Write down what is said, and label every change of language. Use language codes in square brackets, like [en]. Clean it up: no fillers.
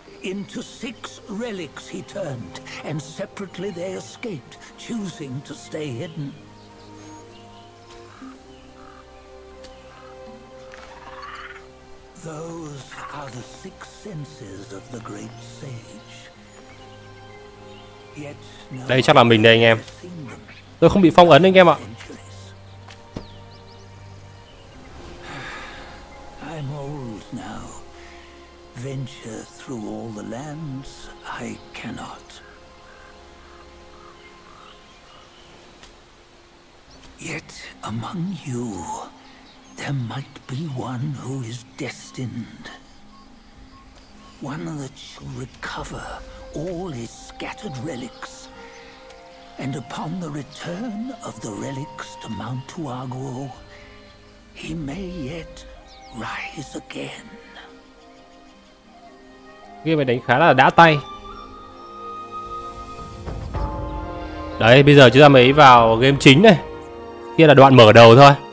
[en] Into six relics he turned, and separately they escaped, choosing to stay hidden. Those are the six senses of the great sage. Yet, no. [vi] Đây chắc là mình đây anh em. Tôi không bị phong ấn anh em ạ. [en] I'm old now. Venture through all the lands I cannot. Yet among you there might be one who is destined. One that shall recover all his scattered relics. And upon the return of the relics to Mount Tuaguo, he may yet rise again. [vi] Game này đánh khá là đã tay. Đấy, bây giờ chúng ta mới vào game chính này. Kia là đoạn mở đầu thôi.